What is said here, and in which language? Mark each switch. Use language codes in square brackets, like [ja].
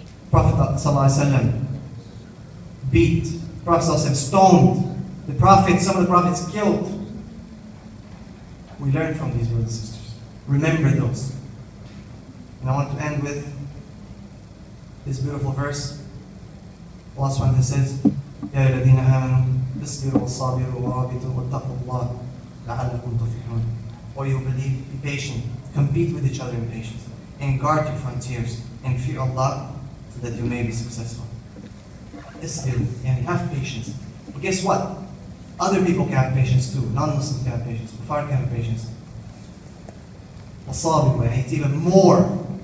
[en] Prophet ﷺ beat, Prophet ﷺ stoned, the prophets, some of the prophets killed. We learn from these brothers and sisters. Remember those. And I want to end with this beautiful verse. [ar] Last one that says, يَا الَّذِينَ آمَنُوا اصْبِرُوا وَصَابِرُوا وَرَابِطُوا وَاتَّقُوا اللَّهِ لَعَلَّكُمْ تُفْلِحُونَ. [en] Or you believe, be patient, compete with each other in patience, and guard your frontiers, and fear Allah, that you may be successful. Istir, and have patience. But guess what? Other people can have patience too. Non-Muslims can have patience. Kuffar can have patience. Asabi, and it's even more.